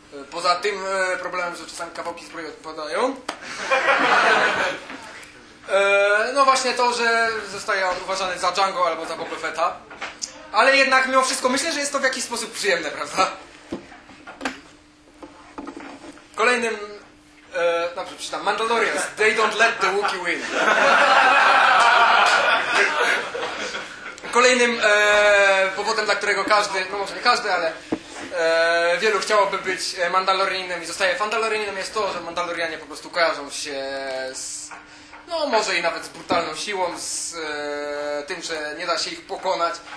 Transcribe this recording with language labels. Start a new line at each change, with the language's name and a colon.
Polish: Poza tym problemem, że czasami kawałki zbroi odpadają. No właśnie to, że zostaje on uważany za Django albo za Boba Fetta. ale jednak mimo wszystko myślę, że jest to w jakiś sposób przyjemne, prawda? Kolejnym... dobrze, przeczytam.
English: Mandalorians, they don't let the Wookiee win.
Polish: Kolejnym powodem, dla którego każdy, no może nie każdy, ale wielu chciałoby być Mandalorianinem i zostaje Mandalorianinem, jest to, że Mandalorianie po prostu kojarzą się z... no może i nawet z brutalną siłą, z tym, że nie da się ich pokonać.